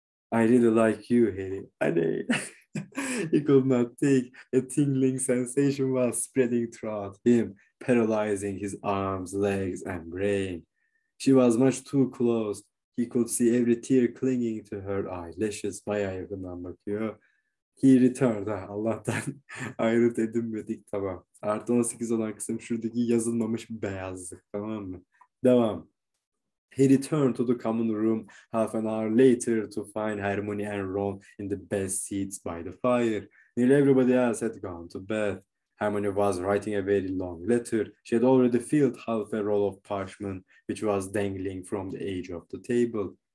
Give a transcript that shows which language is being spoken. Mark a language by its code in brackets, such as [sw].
[en] I really like you, Harry. I know. He could not think. A tingling sensation was spreading throughout him, paralyzing his arms, legs, and brain. She was much too close. He could see every tear clinging to her eyelashes. [tr] Bayağı yakın bakıyor. [en] He returned. [tr] Allah'tan ayrı edinmedik. Tamam. Artı 18 olan kısım şuradaki yazılmamış beyazlık. Tamam mı? Devam. [en] He returned to the common room half an hour later to find Hermione and Ron in the best seats by the fire. Nearly everybody else had gone to bed. Hermione was writing a very long letter. She had already filled half a roll of parchment, which was dangling from the edge of the table.